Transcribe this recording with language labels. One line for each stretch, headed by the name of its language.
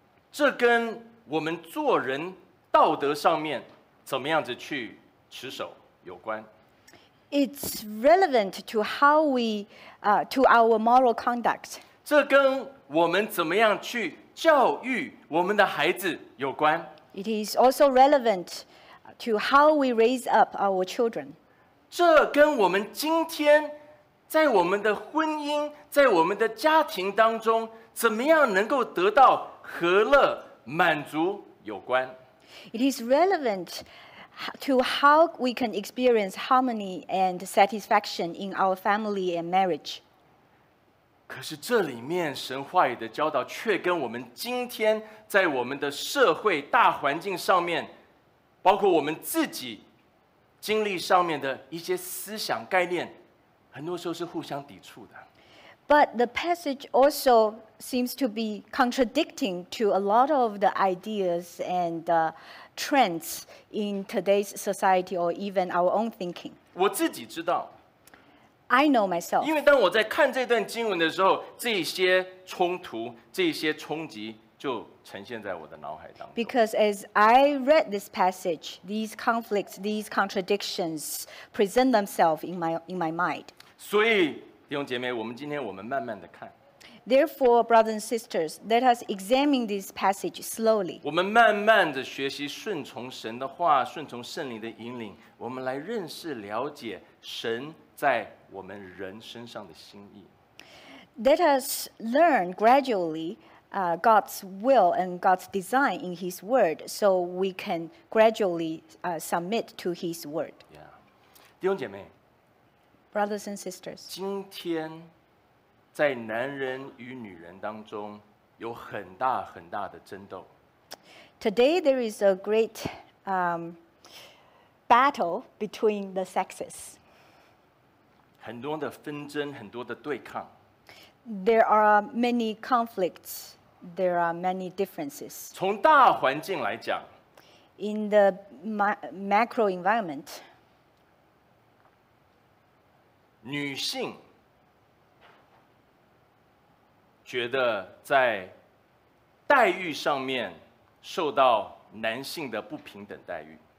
Chinese: 这跟我们做人道德上面怎么样子去持守有关。
English: It's relevant to how we, to our moral conduct.
Chinese: 这跟我们怎么样去教育我们的孩子有关。
English: It is also relevant to how we raise up our children.
Chinese: 这跟我们今天在我们的婚姻、在我们的家庭当中，怎么样能够得到和乐、满足有关。
English: It is relevant. To how we can experience harmony and satisfaction in our family and marriage.
Chinese: 可是这里面神话语的教导却跟我们今天在我们的社会大环境上面，包括我们自己经历上面的一些思想概念，很多时候是互相抵触的。
English: But the passage also seems to be contradicting to a lot of the ideas and trends in today's society or even our own thinking.
Chinese: 我自己知道。
English: I know myself.
Chinese: 因为当我在看这段经文的时候，这些冲突，这些冲击就呈现在我的脑海当中。
English: Because as I read this passage, these conflicts, these contradictions present themselves in my mind.
Chinese: 所以弟兄姐妹，我们今天我们慢慢的看。
English: Therefore, brothers and sisters, let us examine this passage slowly.
Chinese: 我们慢慢的学习顺从神的话，顺从圣灵的引领，我们来认识了解神在我们人身上的心意。
English: Let us learn gradually, God's will and God's design in His Word, so we can gradually, submit to His Word.
Chinese: Yeah. 弟兄姐妹。
English: Brothers and sisters,
Chinese: 今天在男人与女人当中有很大很大的争斗。
English: Today there is a great battle between the sexes.
Chinese: 很多的纷争，很多的对抗。
English: There are many conflicts. There are many differences.
Chinese: 从大环境来讲
English: ，in the macro environment.
Chinese: 女性觉得在待遇上面受到男性的不平等待遇。